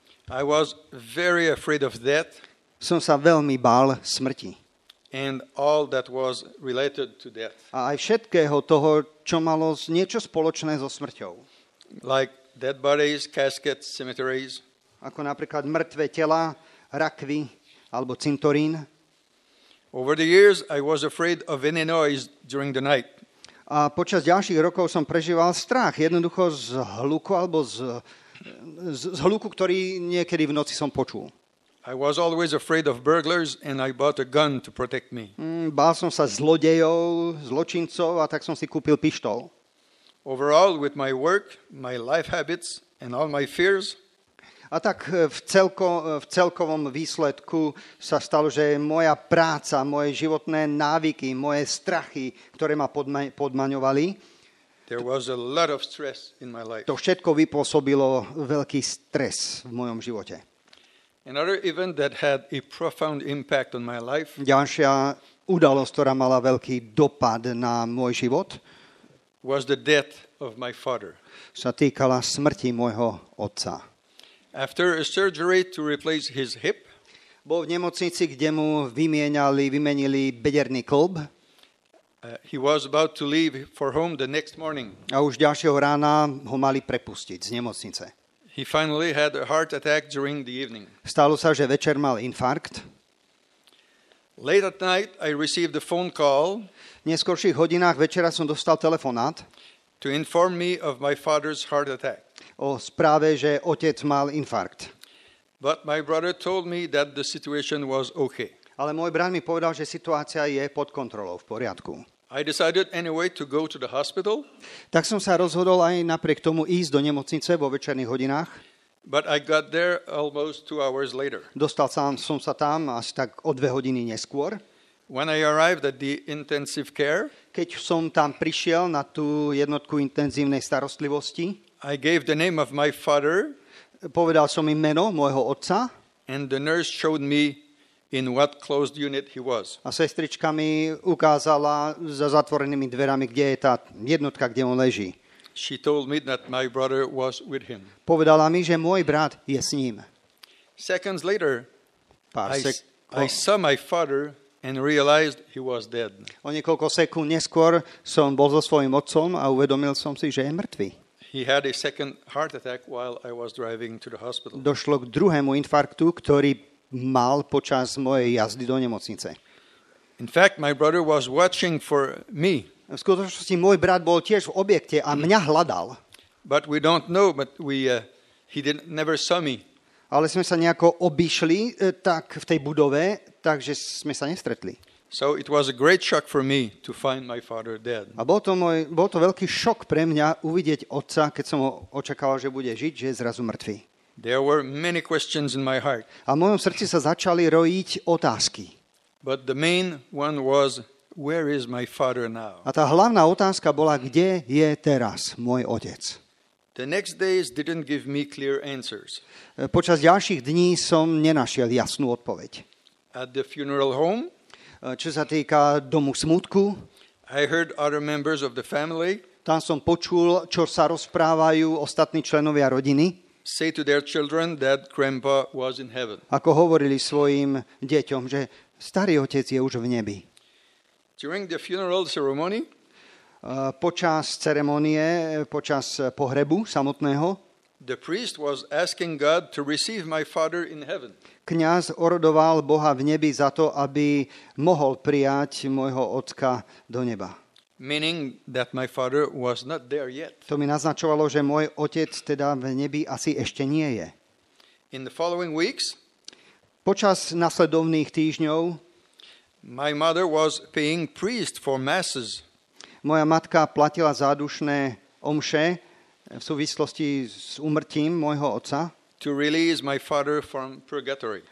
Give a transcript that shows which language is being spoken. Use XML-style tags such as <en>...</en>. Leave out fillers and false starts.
<en>I was very afraid of death.</en> <sk>Som sa veľmi bál smrti.</sk> <en>And all that was related to death.</en> <sk>A aj všetkého toho, čo malo niečo spoločné so smrťou.</sk> <en>Like dead bodies, caskets, cemeteries.</en> <sk>Ako napríklad mŕtve tela, rakvy alebo cintorín.</sk> <en>Over the years I was afraid of any noise during the night.</en> <sk>A počas ďalších rokov som prežíval strach, jednoducho z hluku alebo z hluku, ktorý niekedy v noci som počul.</sk> <en>I was always afraid of burglars and I bought a gun to protect me.</en> <sk>Bál som sa zlodejov, zločincov, a tak som si kúpil pištoľ.</sk> <en>Overall with my work, my life habits and all my fears,</en> <sk>A tak v celkovom výsledku sa stalo, že moja práca, moje životné návyky, moje strachy, ktoré ma podmaňovali,</sk> <en>there was a lot of stress in my life.</en> <sk>To všetko vypôsobilo veľký stres v mojom živote.</sk> <en>Another event that had a profound impact on my life.</en> <sk>Ďalšia udalosť, ktorá mala veľký dopad na môj život,</sk> <en>was the death of my father.</en> <sk>Sa týkala smrti môjho otca.</sk> <en>After a surgery to replace his hip,</en> <sk>bol v nemocnici, kde mu vymenili bederný kĺb.</sk> <en>He was about to leave for home the next morning.</en> <sk>A už ďalšieho rána ho mali prepustiť z nemocnice.</sk> <en>He finally had a heart attack during the evening.</en> <sk>Stalo sa, že večer mal infarkt.</sk> <en>Late at night I received a phone call.</en> <sk>V neskorších hodinách večera som dostal telefonát.</sk> <en>To inform me of my father's heart attack.</en> <sk>O správe, že otec mal infarkt.</sk> <en>But my brother told me that the situation was okay.</en> <sk>Ale môj brat mi povedal, že situácia je pod kontrolou, v poriadku.</sk> <en>I decided anyway to go to the hospital.</en> <sk>Tak som sa rozhodol aj napriek tomu ísť do nemocnice vo večerných hodinách.</sk> <en>But I got there almost 2 hours later.</en> <sk>Dostal som sa tam asi tak o 2 hodiny neskôr.</sk> <en>When I arrived at the intensive care,</en> <sk>keď som tam prišiel na tú jednotku intenzívnej starostlivosti,</sk> <en>I gave the name of my father,</en> <sk>povedal som im meno môjho otca,</sk> <en>and the nurse showed me in what closed unit he was.</en> <sk>A sestrička mi ukázala za zatvorenými dverami, kde je tá jednotka, kde on leží.</sk> <en>She told me that my brother was with him.</en> <sk>Povedala mi, že môj brat je s ním.</sk> <en>Seconds later, I saw my father and realized he was dead.</en> <sk>O niekoľko sekúnd neskôr som bol so svojím otcom a uvedomil som si, že je mŕtvy.</sk> <en>He had a second heart attack while I was driving to the hospital.</en> <sk>Došlo k druhému infarktu, ktorý mal počas mojej jazdy do nemocnice.</sk> <en>In fact, my brother was watching for me.</en> <sk>V skutočnosti môj brat bol tiež v objekte a mňa hľadal.</sk> <en>But we don't know, but never saw me.</en> <sk>Ale sme sa nejako obišli tak v tej budove, takže sme sa nestretli.</sk> <en>So it was a great shock for me to find my father dead.</en> <sk>A bol to veľký šok pre mňa uvidieť otca, keď som ho očakával, že bude žiť, že je zrazu mŕtvy.</sk> <en>There were many questions in my heart.</en> <sk>A v mojom srdci sa začali rojiť otázky.</sk> <en>But the main one was, where is my father now?</en> <sk>A tá hlavná otázka bola, kde je teraz môj otec?</sk> <en>The next days didn't give me clear answers.</en> <sk>Počas ďalších dní som nenašiel jasnú odpoveď.</sk> <en>At the funeral home,</en> <sk>čo sa týka domu smutku,</sk> <en>I heard other members of the family,</en> <sk>tam som počul, čo sa rozprávajú ostatní členovia rodiny,</sk> <en>say to their children that grandpa was in heaven.</en> <sk>Ako hovorili svojim deťom, že starý otec je už v nebi.</sk> <en>During the funeral ceremony,</en> <sk>počas ceremonie, počas pohrebu samotného,</sk> <en>the priest was asking God to receive my father in heaven.</en> <sk>Kňaz orodoval Boha v nebi za to, aby mohol prijať môjho otca do neba.</sk> <en>Meaning that my father was not there yet.</en> <sk>To mi naznačovalo, že môj otec teda v nebi asi ešte nie je.</sk> <en>In the following weeks,</en> <sk>počas nasledovných týždňov,</sk> <en>my mother was paying priest for masses.</en> <sk>Moja matka platila zádušné omše v súvislosti s úmrtím môjho otca,</sk> <en>to release my father from purgatory.</en>